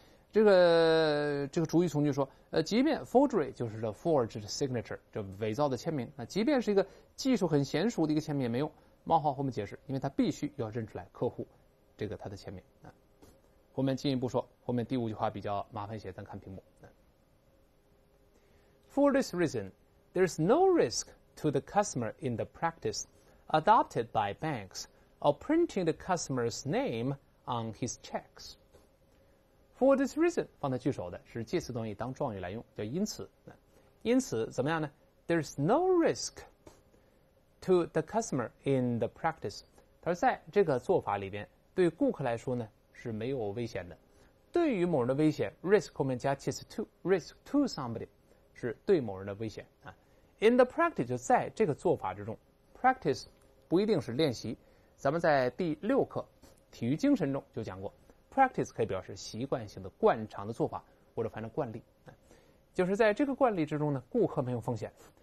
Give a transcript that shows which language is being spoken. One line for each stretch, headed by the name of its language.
Chinese: 这个主语从句说，即便 forgery 就是 the forged signature， 这伪造的签名，即便是一个技术很娴熟的一个签名也没用，冒号后面解释，因为他必须要认出来客户这个他的签名啊。后面进一步说，后面第五句话比较麻烦些，咱看屏幕。
English: For this reason, there's no risk to the customer in the practice adopted by banks of printing the customer's name on his checks. For this reason
Chinese: 放在句首的是介词动语当状语来用，叫因此。因此怎么样呢？
English: There's no risk to the customer in the practice.
Chinese: 他说在这个做法里边对顾客来说呢是没有危险的。对于某人的危险， risk 后面加介词 to，
English: risk to somebody
Chinese: 是对某人的危险。
English: In the practice
Chinese: 就在这个做法之中， practice 不一定是练习，咱们在第六课体育精神中就讲过，practice 可以表示习惯性的惯常的做法，或者反正惯例，就是在这个惯例之中呢，顾客没有风险。